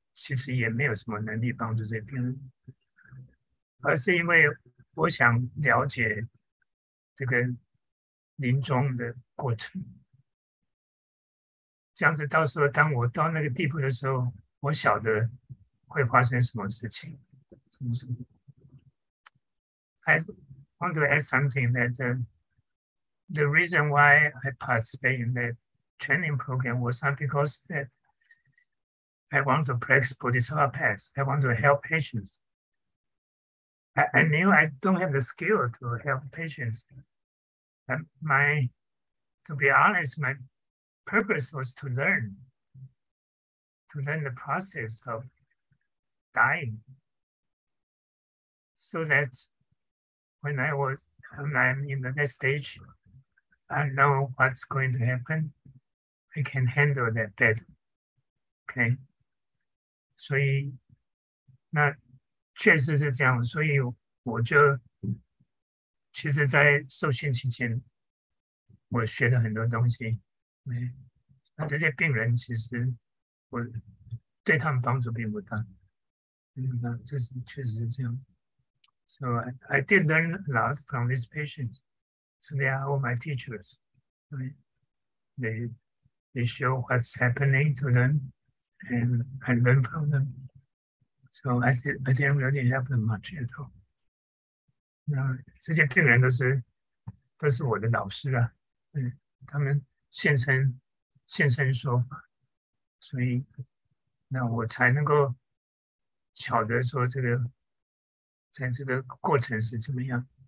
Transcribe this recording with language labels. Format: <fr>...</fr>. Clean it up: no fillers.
<zh>其实也没有什么能力帮助这些病人，而是因为我想了解这个临终的过程。这样子到时候当我到那个地步的时候，我晓得会发生什么事情，什么什么。</zh> <en>I want to add something that the reason why I participate in that training program was not because that I want to practice Bodhisattva paths. I want to help patients. I knew I don't have the skill to help patients. And to be honest, my purpose was to learn the process of dying. So that when I'm in the next stage, I know what's going to happen. I can handle that better. Okay.</en> <zh>所以，那确实是这样。所以我就其实，在受训期间，我学了很多东西。那这些病人，其实我对他们帮助并不大。这是确实是这样。</zh> <en>So I did learn a lot from these patients. So they are all my teachers. They show what's happening to them. And I learned from them. So I didn't really help them much at all.</en> <zh>那这些病人都是我的老师啊，他们现身说法，所以那我才能够晓得说这个在这个过程是怎么样。</zh>